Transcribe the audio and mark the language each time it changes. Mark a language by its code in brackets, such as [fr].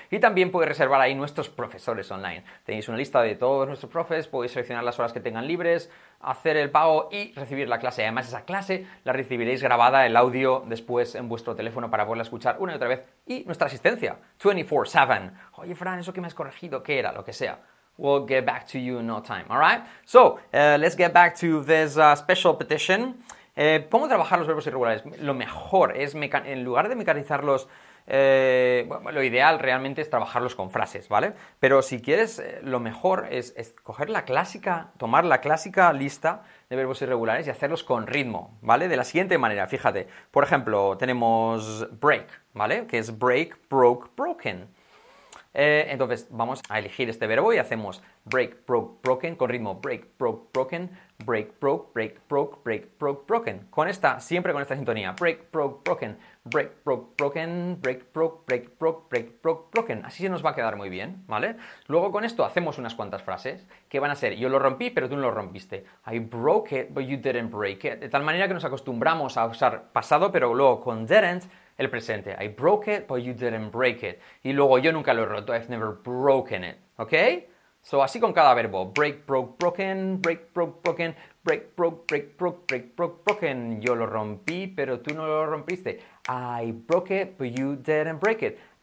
[es] Y también podéis reservar ahí nuestros profesores online. Tenéis una lista de todos nuestros profes, podéis seleccionar las horas que tengan libres, hacer el pago y recibir la clase. Además, esa clase la recibiréis grabada el audio después en vuestro teléfono para poderla escuchar una y otra vez. Y nuestra asistencia, 24/7. Oye, Fran, ¿eso que me has corregido? ¿Qué era? Lo que sea. [en] We'll get back to you in no time, all right? So, let's get back to this special petition. [es] ¿Cómo trabajar los verbos irregulares? Lo mejor es, en lugar de mecanizarlos, bueno, lo ideal realmente es trabajarlos con frases, ¿vale? Pero si quieres, lo mejor es coger la clásica, tomar la clásica lista de verbos irregulares y hacerlos con ritmo, ¿vale? De la siguiente manera, fíjate. Por ejemplo, tenemos break, ¿vale? Que es break, broke, broken. Entonces, vamos a elegir este verbo y hacemos break, broke, broken con ritmo. [en] Break, broke, broken. Break, broke, break, broke, break, broke, broken. [es] Con esta, siempre con esta sintonía. [en] Break, broke, broken. Break, broke, broken. Break, broke, break, broke, break, broke, broken. [es] Así se nos va a quedar muy bien, ¿vale? Luego con esto hacemos unas cuantas frases que van a ser: yo lo rompí, pero tú no lo rompiste. [en] I broke it, but you didn't break it. [es] De tal manera que nos acostumbramos a usar pasado, pero luego con didn't, el presente. [en] I broke it, but you didn't break it. [es] Y luego, yo nunca lo he roto. [en] I've never broken it. [es] ¿Ok? So, así con cada verbo. [en] Break, broke, broken. Break, broke, broken. Break, broke, break, broke, break, broke, broken. [es] Yo lo rompí, pero tú no lo rompiste. [en] I broke it, but you didn't break it.